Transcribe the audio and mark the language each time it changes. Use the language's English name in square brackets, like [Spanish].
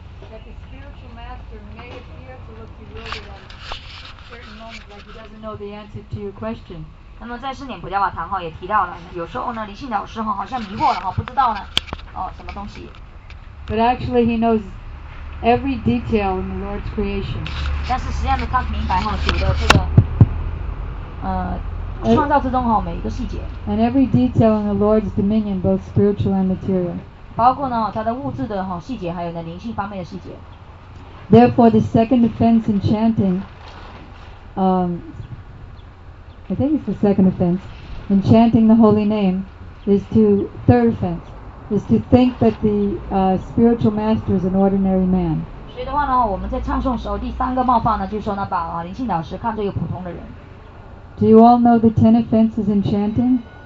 [English] That the spiritual master may appear to look bewildered at a certain moment, like he doesn't know the answer to your question. [Chinese] 那么在《圣典普加瓦堂》哈也提到了，有时候呢，离信导师哈好像迷惑了哈，不知道呢，哦，什么东西。 [English] But actually, he knows every detail in the Lord's creation. [Chinese] 但是实际上呢，他明白哈，主的这个，创造之中哈每一个细节。 [English] And every detail in the Lord's dominion, both spiritual and material. [Chinese] 包括呢，它的物质的哈细节，还有呢灵性方面的细节。 [English] Therefore, the second offense in chanting, I think it's the second offense in chanting the holy name, is to third offense is to think that the spiritual master is an ordinary man. [Chinese] 所以的话呢，我们在唱诵时候，第三个冒犯呢，就是说呢，把灵性导师看作一个普通的人。 [English] Do you all know the 10 offenses in chanting?